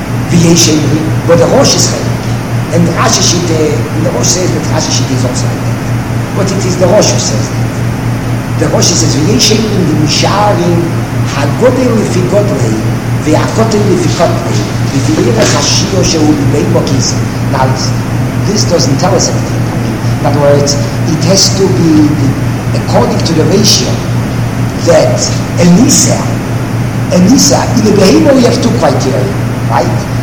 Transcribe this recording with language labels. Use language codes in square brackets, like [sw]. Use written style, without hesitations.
[en] V'yeshemri, but the rosh is chayim, and Rashi shite, and the rosh says that Rashi shite is also like that. But it is the rosh who says that. The rosh says v'yeshemri the misharim. [he] הגודל לפי גודלי והכותל לפי קוטלי ותהיה לך שיעור שהוא לבי מוקיס. [en] Now, this doesn't tell us anything. In other words, it has to be according to the ratio that Elisa, in the behavior we have two criteria, right?